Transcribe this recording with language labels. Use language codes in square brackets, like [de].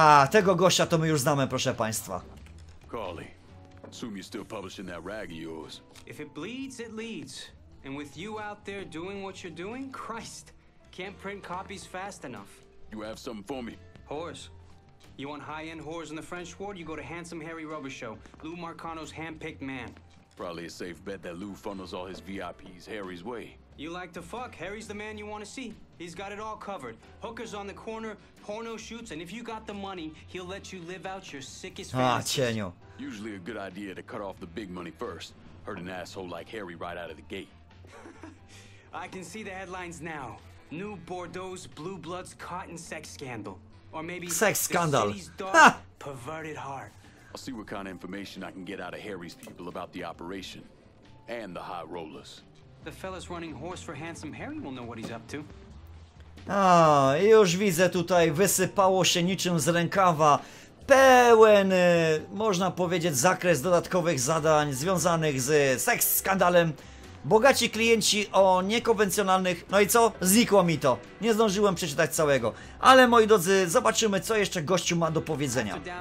[pl] Tego gościa to my już znamy, proszę państwa. [en] Carly, assume you're still publishing that rag of yours. If it bleeds, it leads. And with you out there doing what you're doing, Christ, can't print copies fast enough. You have something for me. Whores. You want high-end whores in the French ward, you go to Handsome Harry Rubber Show. Lou Marcano's hand-picked man. Probably a safe bet that Lou funnels all his VIPs Harry's way. You like to fuck, Harry's the man you want to see. He's got it all covered. Hookers on the corner, porno shoots, and if you got the money, he'll let you live out your sickest fantasies. Cienio. Usually a good idea to cut off the big money first. Hurt an asshole like Harry right out of the gate. I can see the headlines now. New Bordeaux's Blue Bloods cotton sex scandal. Or maybe sex scandal. The city's dark, perverted heart. I'll see what kind of information I can get out of Harry's people about the operation. And the high rollers. The fellas running horse for Handsome Harry will know what he's up to. [pl] Już widzę tutaj, wysypało się niczym z rękawa. Pełen, można powiedzieć, zakres dodatkowych zadań związanych z seks skandalem. Bogaci klienci o niekonwencjonalnych... No i co? Znikło mi to. Nie zdążyłem przeczytać całego. Ale moi drodzy, zobaczymy, co jeszcze gościu ma do powiedzenia.